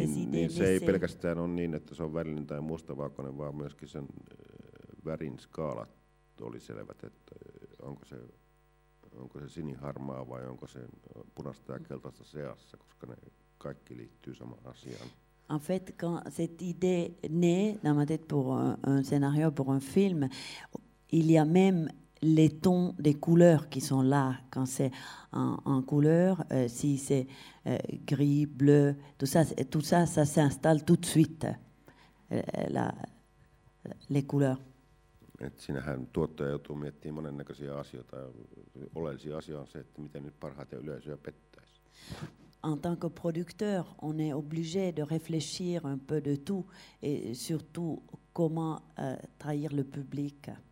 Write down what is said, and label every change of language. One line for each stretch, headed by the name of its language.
Finnish: Niin se ei pelkästään ole niin, että se on värillinen tai mustavalkoinen, vaan myöskin sen värin skaalat oli selvät, että onko se siniharmaa vai onko se punaista ja keltaista seassa, koska ne kaikki liittyy samaan asiaan.
French: En fait, quand cette idée naît dans ma tête pour un scénario, pour un film, il y a même les tons des couleurs qui sont là, quand c'est en couleur, si c'est gris, bleu, tout ça s'installe tout de suite, les couleurs.
Finnish: Et sinähän tuottaja joutuu miettimään monennäköisiä asioita. Oleellisia asioita on se, että miten nyt parhaiten yleisöä pettäisi.
French: En tant que producteur, on est obligé de réfléchir un peu de tout, et surtout comment trahir le public.